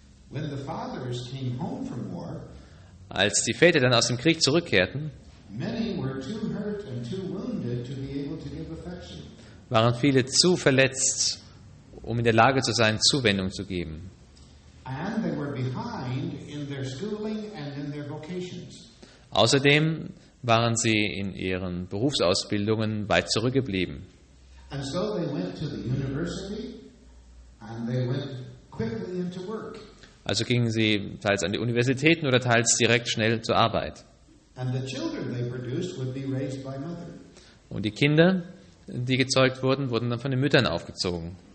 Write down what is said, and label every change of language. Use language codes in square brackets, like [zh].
[en] When the fathers came home from war, [de] als die Väter dann aus dem Krieg zurückkehrten, [en] many were too hurt and too wounded to be able to give affection. [de] Waren viele zu verletzt, um in der Lage zu sein, Zuwendung zu geben. [en] And they were behind in their schooling and in their vocations. [de] Außerdem waren sie in ihren Berufsausbildungen weit zurückgeblieben. [en] And so they went to the university and they went quickly into work. [de] Also gingen sie teils an die Universitäten oder teils direkt schnell zur Arbeit. Und die Kinder, die gezeugt wurden, wurden dann von den Müttern aufgezogen.